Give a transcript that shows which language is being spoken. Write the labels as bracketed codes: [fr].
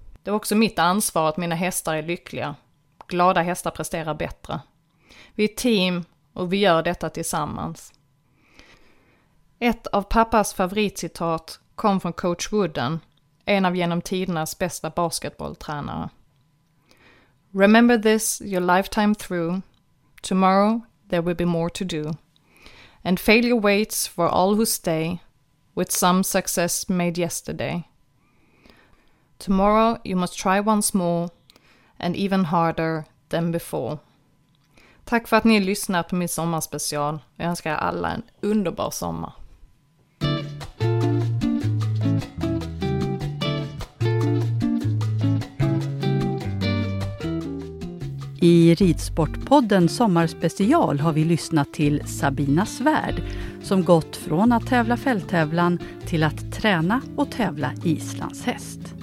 [sv] Det är också mitt ansvar att mina hästar är lyckliga. Glada hästar presterar bättre. Vi är team och vi gör detta tillsammans. Ett av pappas favoritcitat kom från coach Wooden, en av genom tidernas bästa basketbolltränare. [en] Remember this your lifetime through. Tomorrow there will be more to do. And failure waits for all who stay with some success made yesterday. Tomorrow you must try once more and even harder than before. [sv] Tack för att ni lyssnar på min sommarspecial. Jag önskar er alla en underbar sommar. I Ridsportpodden sommarspecial har vi lyssnat till Sabina Svärd som gått från att tävla fälttävlan till att träna och tävla Islands häst.